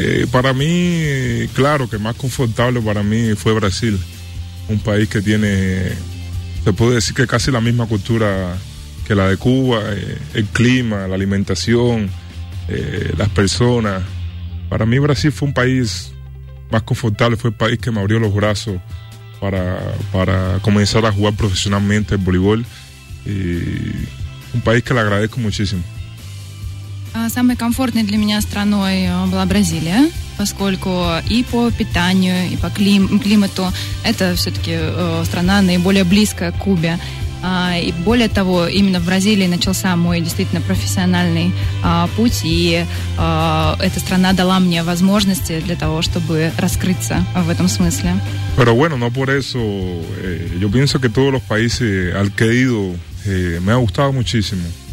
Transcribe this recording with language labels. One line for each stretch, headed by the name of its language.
Spanish: Para mí, claro, que más confortable para mí fue Brasil, un país que tiene, se puede decir que casi la misma cultura que la de Cuba, el clima, la alimentación, las personas. Para mí Brasil fue un país más confortable, fue el país que me abrió los brazos para comenzar a jugar profesionalmente el voleibol, y un país que le agradezco muchísimo.
Russian: Самой комфортной для меня страной была Бразилия, поскольку и по питанию, и по климату это все-таки страна наиболее близкая к Кубе. И более того, именно в Бразилии начался мой действительно профессиональный путь, и эта страна дала мне возможности для того, чтобы раскрыться в этом смысле.
Spanish: Pero bueno, no por eso. Yo pienso que todos los países al que he ido me ha gustado muchísimo.